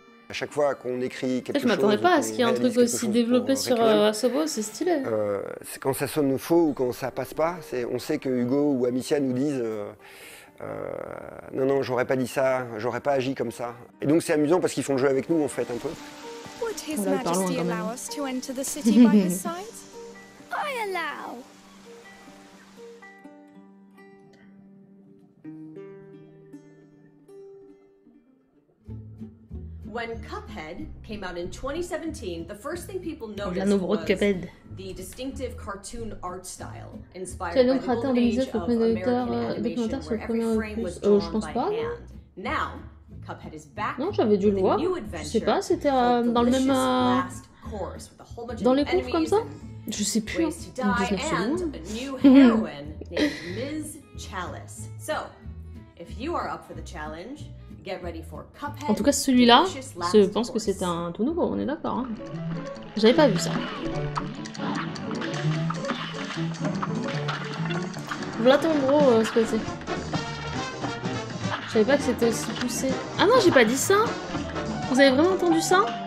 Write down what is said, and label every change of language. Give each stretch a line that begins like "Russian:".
French: À chaque fois qu'on écrit quelque chose... Je m'attendais pas à ce qu'il y ait un truc aussi développé sur Asobo, c'est stylé. C'est quand ça sonne faux ou quand ça passe pas. On sait que Hugo ou Amicia nous disent... Non, j'aurais pas dit ça, j'aurais pas agi comme ça. Et donc c'est amusant parce qu'ils font le jeu avec nous en fait un peu.
English: Would His Majesty allow us to enter the city by his side? I allow. When Cuphead came out in 2017, the first thing people noticed was the distinctive cartoon art style inspired by the golden age of American animation, where every frame was drawn by hand. Now, Cuphead is back.
French: Non, j'avais dû le voir. Je sais pas, c'était dans le même dans les cours comme ça. Je sais plus.
English: And a new heroine named Ms. Chalice. So, if you are up for the challenge. Get ready for Cuphead,
French: en tout cas, celui-là, je pense que c'est un tout nouveau, on est d'accord. Hein. J'avais pas vu ça. Voilà ton gros, ce que c'est. Je savais pas que c'était aussi poussé. Ah non, j'ai pas dit ça. Vous avez vraiment entendu ça?